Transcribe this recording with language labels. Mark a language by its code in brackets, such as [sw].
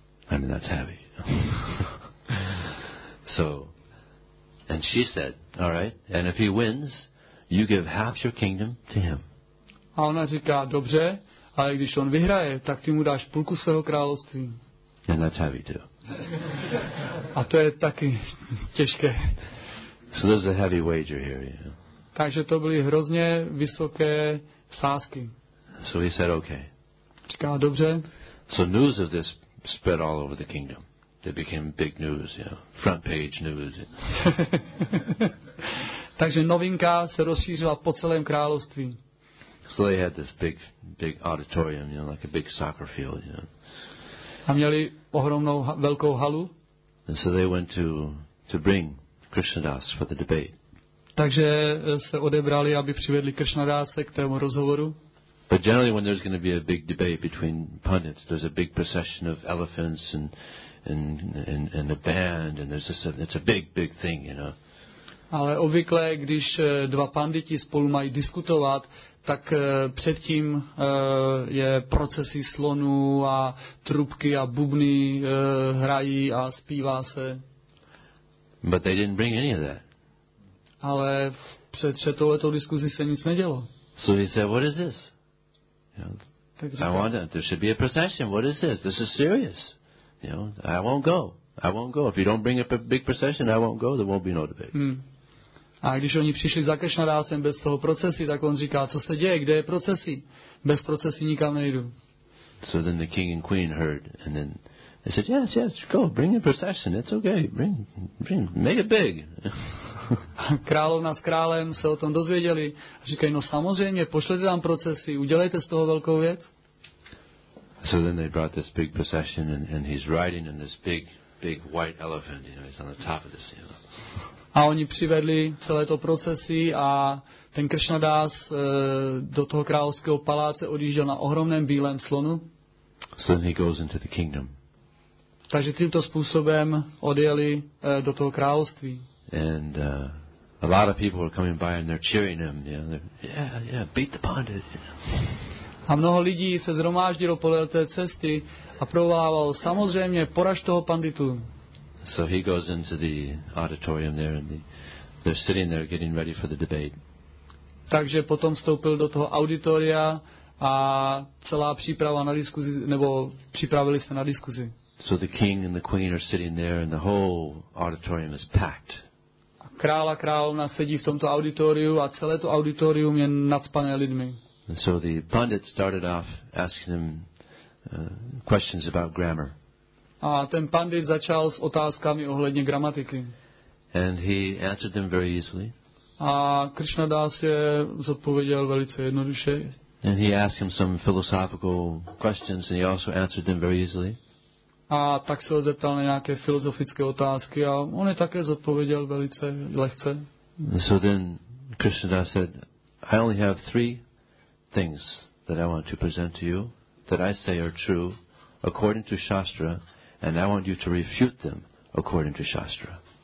[en] I mean, that's heavy. So, and she said, all right, and if he wins, you give half your kingdom to him. [cs] A ona říká, dobře, ale když on vyhraje, tak ty mu dáš půlku svého království. [en] And that's heavy too. [cs] A to je taky těžké. [en] So there's a heavy wager here, you know. [cs] Takže to byly hrozně vysoké sázky. [en] So he said, okay. [cs] Říká, dobře. [en] So news of this spread all over the kingdom. It became big news, you know, front page news. [cs] Takže novinka se rozšířila po celém království. [en] So they had this big auditorium, you know, like a big soccer field, you know. [cs] A měli ohromnou velkou halu. [en] And so they went to bring Krishnadas for the debate. [cs] Takže se odebrali, aby přivedli Krishnadase k tomu rozhovoru. [en] But generally when there's going to be a big debate between pundits, there's a big procession of elephants and a band, and there's just it's a big thing, you know. [cs] Ale obvykle, když dva panditi spolu mají diskutovat, tak předtím je procesí slonů a trubky a bubny hrají a zpívá se. [en] But they didn't bring any of that. [cs] Ale před touhletou diskuzí se nic nedělo. [en] So he said, what is this? You know, I want there should be a procession. What is this? This is serious. You know, I won't go. I won't go. If you don't bring a big procession, I won't go. There won't be no debate. Hmm. [cs] A když oni přišli za Krishnadasem bez toho procesí, tak on říká, co se děje, kde je procesí? Bez procesí nikam nejdu. [en] So then the king and queen heard, and then they said, yes, yes, go, bring a procession, it's okay, bring, make it big. [cs] Královna s králem se o tom dozvěděli. Říkají, no samozřejmě, pošlete nám procesy, udělejte z toho velkou věc. [en] So then they brought this big procession, and he's riding in this big white elephant, you know, he's on the top of this, you know. [cs] A oni přivedli celé to procesy a ten Krishnadas do toho královského paláce odjížděl na ohromném bílém slonu. [en] So then he goes into the kingdom. [cs] Takže tímto způsobem odjeli do toho království. [en] And a lot of people were coming by and they're cheering him. You know? Yeah, beat the pundit. You know? [cs] A mnoho lidí se zhromáždilo podél té cesty a provolávalo, samozřejmě, poraž toho panditu. [en] So he goes into the auditorium there and they're sitting there getting ready for the debate. [cs] Takže potom vstoupil do toho auditoria a celá příprava na diskuzi, nebo připravili se na diskuzi. [en] So the king and the queen are sitting there and the whole auditorium is packed. [cs] Král a královna sedí v tomto auditoriu a celé to auditorium je nacpané lidmi. [en] And so the pundit started off asking them questions about grammar. [cs] A ten pandit začal s otázkami ohledně gramatiky. [en] And he answered them very easily. [cs] A Krishna Das je zodpověděl velice jednoduše. [en] And he asked him some philosophical questions and he also answered them very easily. [cs] A tak se ho zeptal na nějaké filozofické otázky a on je také zodpověděl velice lehce. [en] So then Krishna Das said, I only have three things that I want to present to you that I say are true according to Shastra and I want you to refute them according to Shastra.